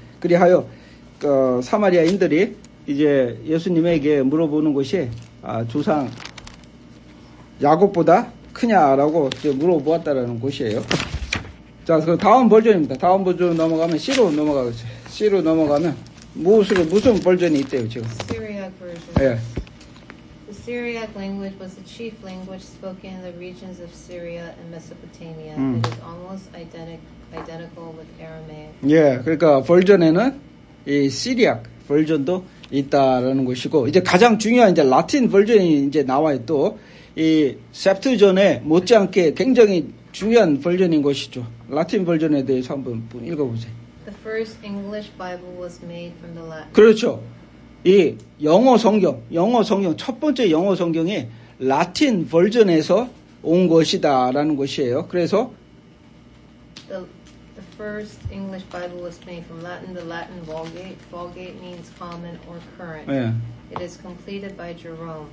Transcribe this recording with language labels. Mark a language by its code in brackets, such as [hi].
[ko] 그리하여 사마리아인들이 이제 예수님에게 물어보는 것이 조상 야곱보다 크냐라고 이제 물어보았다라는 것이에요. 자, 그 다음 버전입니다. 다음 버전 넘어가면 C로 넘어가겠어요. C로 넘어가면 무슨 버전이 있대요 지금? [en] Syriac version. 예. The Syriac language was the chief language spoken in the regions of Syria and Mesopotamia. It is almost identical with Aramaic. [ko] 예, 그러니까 버전에는 이 시리아 버전도 있다라는 것이고 이제 가장 중요한 이제 라틴 버전이 이제 나와요. 또 이 셉트전에 못지않게 굉장히 중요한 버전인 것이죠. 라틴 버전에 대해서 한번 읽어보세요. [en] The first English Bible was made from the Latin. [ko] 그렇죠. 이 영어 성경, 첫 번째 영어 성경이 라틴 버전에서 온 것이다라는 것이에요. 그래서 [en] The first English Bible was made from Latin. The Latin Vulgate. Vulgate means common or current. [ko] 예. [en] It is completed by Jerome.